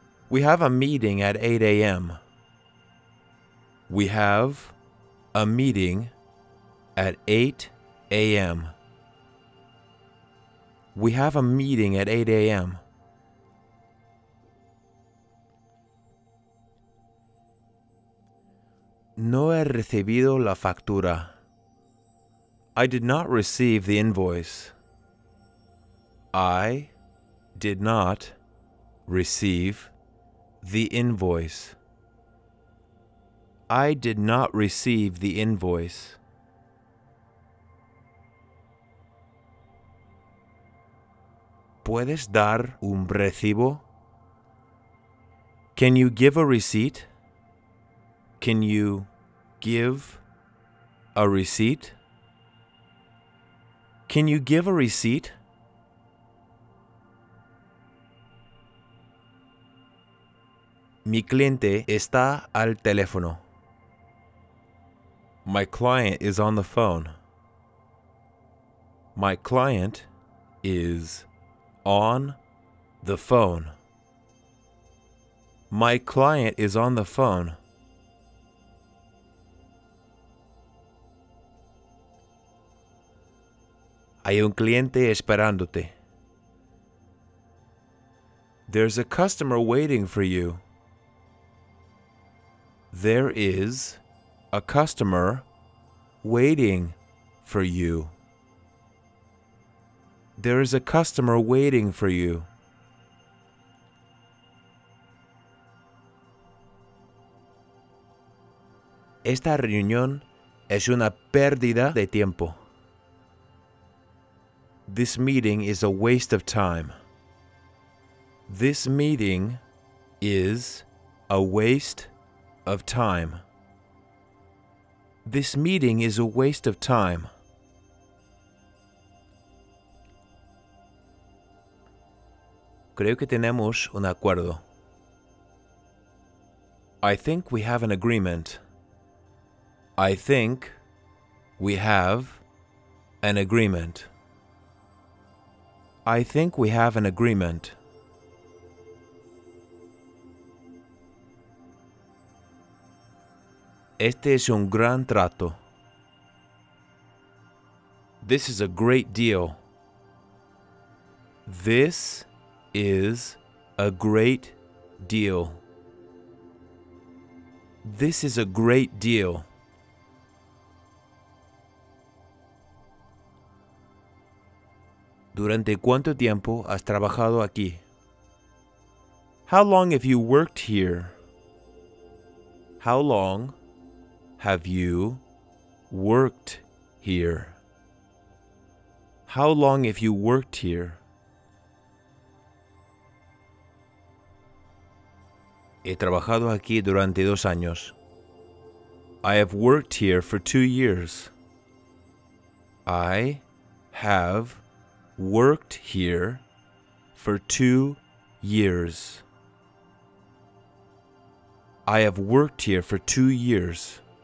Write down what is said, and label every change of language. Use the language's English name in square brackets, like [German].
[English] We have a meeting at 8 a.m. We have a meeting at 8 a.m. We have a meeting at 8 a.m. [Spanish] No he recibido la factura. [English] I did not receive the invoice. I did not receive the invoice. I did not receive the invoice. [Spanish] ¿Puedes dar un recibo? [English] Can you give a receipt? Can you give a receipt? Can you give a receipt? [Spanish] Mi cliente está al teléfono. [English] My client is on the phone. My client is on the phone. My client is on the phone. [Spanish] Hay un cliente esperándote. [English] There's a customer waiting for you. There is a customer waiting for you. There is a customer waiting for you. [Spanish] Esta reunión es una pérdida de tiempo. [English] This meeting is a waste of time. This meeting is a waste of time. This meeting is a waste of time. [Spanish] Creo que tenemos un acuerdo. [English] I think we have an agreement. I think we have an agreement. I think we have an agreement. [Spanish] Este es un gran trato. [English] This is a great deal. This is a great deal. This is a great deal. [Spanish] ¿Durante cuánto tiempo has trabajado aquí? [English] How long have you worked here? How long have you worked here? How long have you worked here? [Spanish] He trabajado aquí durante 2 años. [English] I have worked here for 2 years. I have worked here for 2 years. I have worked here for 2 years.